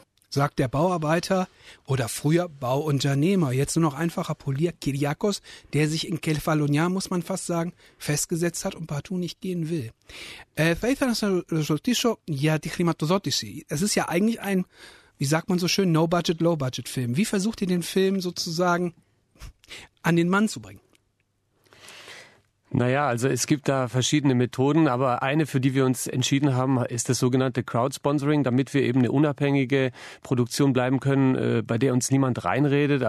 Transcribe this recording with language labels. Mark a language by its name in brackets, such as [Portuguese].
[German] Sagt der Bauarbeiter oder früher Bauunternehmer, jetzt nur noch einfacher Polier Kyriakos, der sich in Kefalonia, muss man fast sagen, festgesetzt hat und partout nicht gehen will. [Greek] Θα ήθελα να σας ρωτήσω για τη χρηματοδότηση. [German] Es ist ja eigentlich ein, wie sagt man so schön, No-Budget, Low-Budget-Film. Wie versucht ihr den Film sozusagen an den Mann zu bringen? Naja, also es gibt da verschiedene Methoden, aber eine, für die wir uns entschieden haben, ist das sogenannte Crowdsponsoring, damit wir eben eine unabhängige Produktion bleiben können, bei der uns niemand reinredet.